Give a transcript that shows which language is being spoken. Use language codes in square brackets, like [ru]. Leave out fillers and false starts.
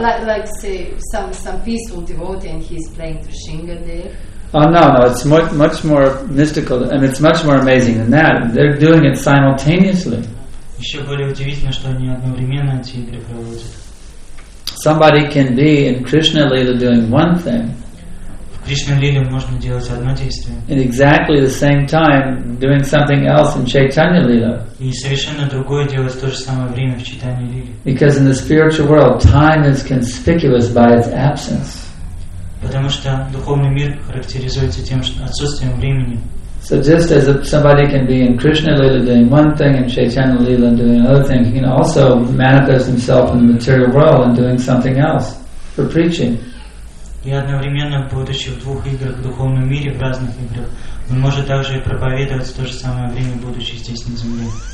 [en] Like say some peaceful devotee and he's playing to Shinga there. Oh no, it's much more mystical, and it's much more amazing than that. They're doing it simultaneously. [ru] Еще более удивительно, что они одновременно эти игры проводят. [en] Somebody can be in Krishna Lila doing one thing. [ru] В Кришна Лиле можно делать одно действие. [en] In exactly the same time, doing something else in Chaitanya Lila. [ru] И совершенно другое делать в то же самое время в Чайтанья Лиле. [en] Because in the spiritual world, time is conspicuous by its absence. [ru] Потому что духовный мир характеризуется тем, что отсутствием времени. [en] So just as somebody can be in Krishna Lila doing one thing and Chaitanya Lila doing another thing, he can also manifest himself in the material world and doing something else for preaching. [ru] И одновременно, будучи в двух играх в духовном мире, в разных играх, он может также и проповедовать в то же самое время, будучи здесь на земле.